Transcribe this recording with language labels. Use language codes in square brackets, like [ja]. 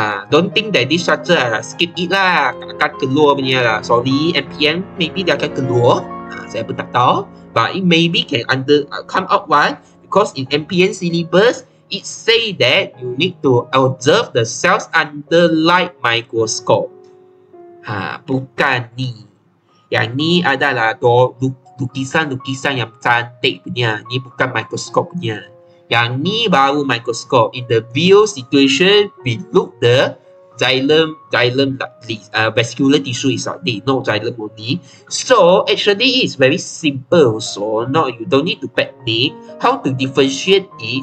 [en] Don't think that this structure, skip it lah, [ms] akan keluar punya lah. Sorry, MPN, maybe dia akan keluar. Saya pun tak tahu. [en] But it maybe can come out one, because in MPN syllabus, it say that you need to observe the cells under light microscope. [ms] Bukan ni. Yang ni adalah lukisan-lukisan yang cantik punya. Ni bukan microscope punya. Yang ni baru microscope. [en] In the real situation, we look the xylem vascular tissue is like this, not xylem only. So actually it's very simple, so no, you don't need to panic how to differentiate it.